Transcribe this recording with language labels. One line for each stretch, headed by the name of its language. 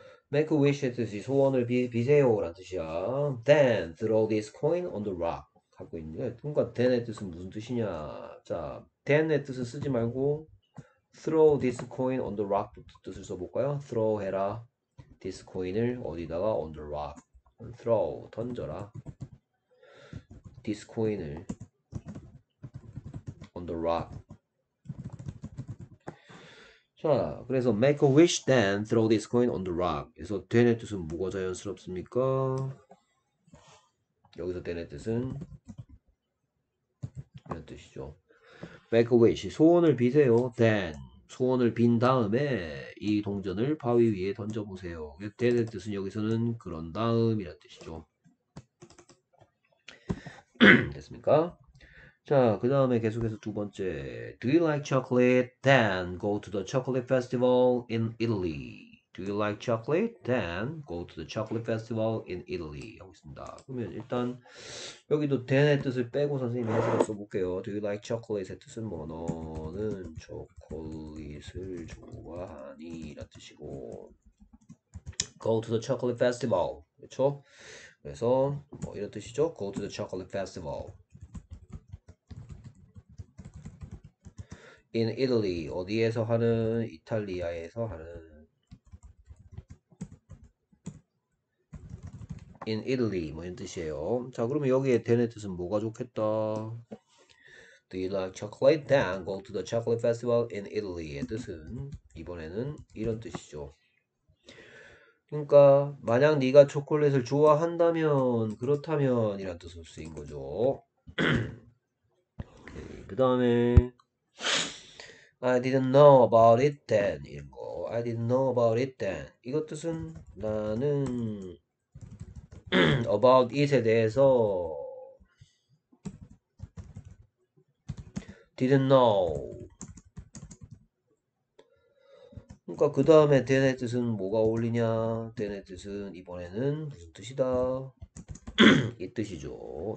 English: make a wish
Korean: 뜻이 소원을 빌세요라는 뜻이야.
English: then throw this coin on the rock
Korean: 갖고 있는데, 뭔가 then의 뜻은 무슨 뜻이냐? 자, then의 뜻을 쓰지 말고
English: throw this coin on the rock
Korean: 뜻을 써볼까요? throw 해라.
English: this coin을
Korean: 어디다가
English: on the rock. throw
Korean: 던져라.
English: this coin을 on the rock.
Korean: 자, 그래서
English: make a wish then throw this coin on the rock.
Korean: 그래서 된의 뜻은 뭐가 자연스럽습니까? 여기서 된의 뜻은 이런 뜻이죠.
English: make a wish
Korean: 소원을 비세요. then 소원을 빈 다음에 이 동전을 바위 위에 던져보세요. then의 뜻은 여기서는 그런 다음이란 뜻이죠. 됐습니까? 자, 그 다음에 계속해서 두 번째.
English: Do you like chocolate? Then go to the chocolate festival in Italy. Do you like chocolate? Then go to the chocolate festival in Italy.
Korean: 여기 있습니다. 그러면 일단 여기도 then의 뜻을 빼고 선생님이 해석을 써볼게요.
English: Do you like chocolate
Korean: 의 뜻은 뭐? 너는 초콜릿을 좋아하니? 라는 뜻이고.
English: Go to the chocolate festival.
Korean: 그렇죠? 그래서 뭐 이런 뜻이죠.
English: Go to the chocolate festival in Italy.
Korean: 어디에서 하는? 이탈리아에서 하는.
English: in Italy
Korean: 뭐 이런 뜻이에요. 자, 그러면 여기에 대네 뜻은 뭐가 좋겠다?
English: Do you like chocolate? Then go to the chocolate festival in Italy
Korean: 의 뜻은 이번에는 이런 뜻이죠. 그러니까 만약 네가 초콜릿을 좋아한다면 그렇다면 이란 뜻으로 쓰인 거죠. 그다음에
English: I didn't know about it then
Korean: 이런 거.
English: I didn't know about it then.
Korean: 이것 뜻은 나는 about it에 대해서
English: didn't know.
Korean: 그러니까 그 다음에 then의 뜻은 뭐가 어울리냐? then의 뜻은 이번에는 무슨 뜻이다? 이 뜻이죠.